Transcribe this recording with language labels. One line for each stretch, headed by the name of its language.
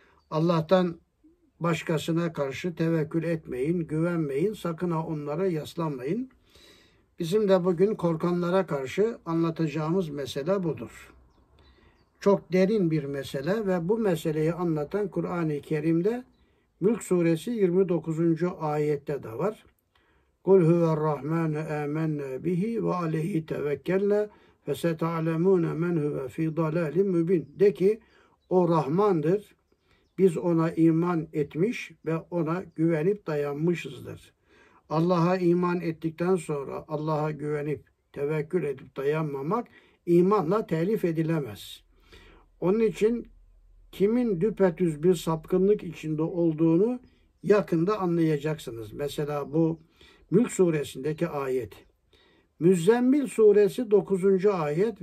Turkish: Allah'tan başkasına karşı tevekkül etmeyin, güvenmeyin, sakın ha onlara yaslanmayın. Bizim de bugün korkanlara karşı anlatacağımız mesele budur. Çok derin bir mesele ve bu meseleyi anlatan Kur'an-ı Kerim'de Mülk Suresi 29. ayette de var.
Arabic: قُلْ هُوَ الرَّحْمَنُ اَمَنَّا بِهِ وَعَلَيْهِ تَوَكَّلْنَا فَسَتَعْلَمُونَ مَنْ هُوَ ف۪ي ضَلَالٍ مُب۪ينٍ
Turkish: De ki, o Rahman'dır, biz ona iman etmiş ve ona güvenip dayanmışızdır. Allah'a iman ettikten sonra Allah'a güvenip, tevekkül edip dayanmamak imanla telif edilemez. Onun için kimin düpedüz bir sapkınlık içinde olduğunu yakında anlayacaksınız. Mesela bu Mülk suresindeki ayet. Müzzemmil suresi 9. ayet.